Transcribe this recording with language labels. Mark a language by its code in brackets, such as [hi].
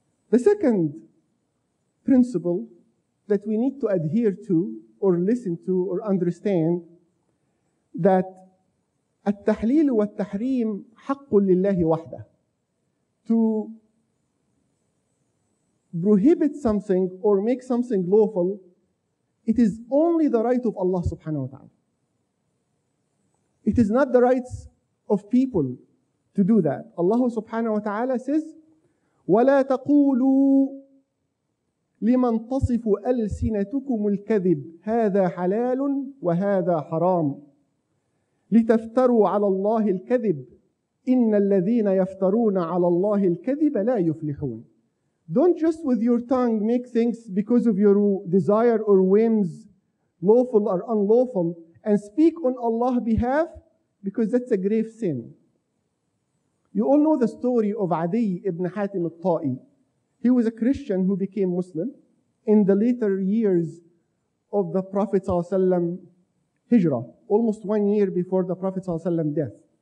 [en] The second principle that we need to adhere to or listen to or understand that [ar] التحليل والتحريم حق لله وحده. [en] To prohibit something or make something lawful, it is only the right of Allah subhanahu wa ta'ala. It is not the rights of people to do that. Allah subhanahu wa ta'ala says, [ar] وَلَا تَقُولُوا لِمَنْ تَصِفُ أَلْسِنَتُكُمُ الْكَذِبُ هَذَا حَلَالٌ وَهَذَا حَرَامٌ لِتَفْتَرُوا عَلَى اللَّهِ الْكَذِبُ إِنَّ الَّذِينَ يَفْتَرُونَ عَلَى اللَّهِ الْكَذِبَ لَا يُفْلِحُونَ. [en] Don't just with your tongue make things because of your desire or whims, lawful or unlawful, and speak on Allah's behalf, because that's a grave sin. You all know the story of Adi ibn Hatim al-Ta'i. He was a Christian who became Muslim in the later years of the Prophet ﷺ hijrah, almost 1 year before the Prophet ﷺ death.